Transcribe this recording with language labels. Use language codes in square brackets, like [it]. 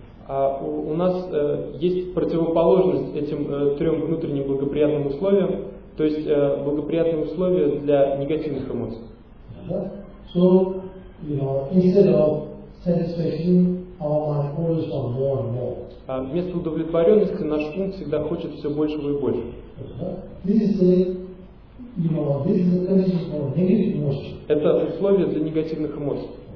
[ru] У нас есть противоположность этим трем внутренним благоприятным условиям, то есть благоприятные условия для негативных эмоций. [en] So, you know, instead of satisfaction, our mind always wants more and more. [ru] Вместо удовлетворенности наш ум всегда хочет все большего и больше. Это условие для негативных эмоций.